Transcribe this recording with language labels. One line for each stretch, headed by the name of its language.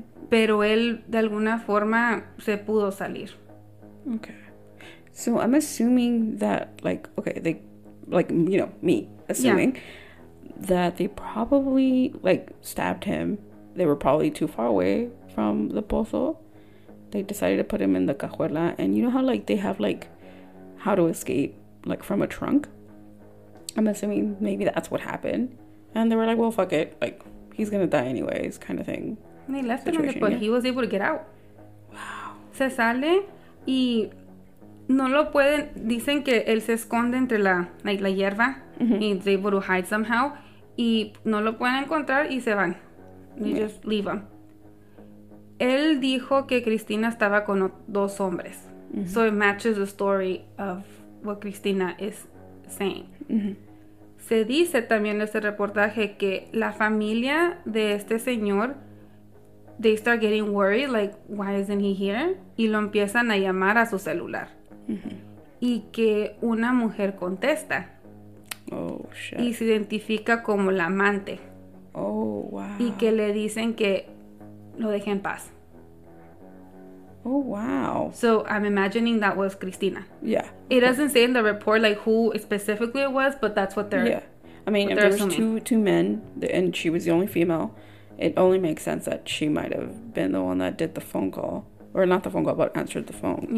Spanish: Pero él, de alguna forma, se pudo salir.
English: Okay. So I'm assuming that, like, okay, they, like, you know, me, assuming that they probably, like, stabbed him. They were probably too far away from the pozo. They decided to put him in the cajuela. And you know how, like, they have, like, how to escape, like, from a trunk. I'm assuming maybe that's what happened. And they were like, well, fuck it. Like, he's gonna die anyways, kind of thing. And they left situation. Him, but he was able to get out. Wow.
Spanish: Se sale y no lo pueden... Dicen que él se esconde entre la, like, la hierba. Mm-hmm.
English: And he's able to hide somehow.
Spanish: Y no lo pueden encontrar y se van.
English: They just leave him.
Spanish: Él dijo que Cristina estaba con dos hombres. Mm-hmm.
English: So it matches the story of what Cristina is saying. Mm-hmm.
Spanish: Se dice también en este reportaje que la familia de este señor
English: they start getting worried, like, why isn't he here?
Spanish: Y lo empiezan a llamar a su celular. Y que una mujer contesta.
English: Oh, shit.
Spanish: Y se identifica como la amante.
English: Oh, wow.
Spanish: Y que le dicen que lo deje en paz.
English: Oh, wow. So, I'm imagining that was Cristina. Yeah. It doesn't say in the report, like, who specifically it was, but that's what they're... Yeah. I mean, if there was two men, and she was the only female, it only makes sense that she might have been the one that did the phone call. Or not the phone call, but answered the phone.